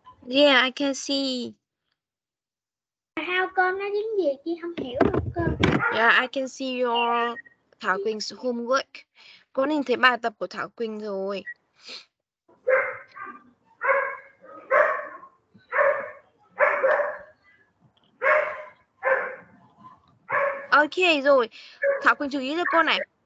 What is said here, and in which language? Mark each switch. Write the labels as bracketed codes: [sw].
[en] Yeah, I can see. [vi] Sao con nói tiếng gì chị không hiểu được cơ. [en] Yeah, I can see your Thảo Quỳnh's homework. [vi] Cô nhìn thấy bài tập của Thảo Quỳnh rồi. Ok rồi. Thảo Quỳnh chú ý cho cô này.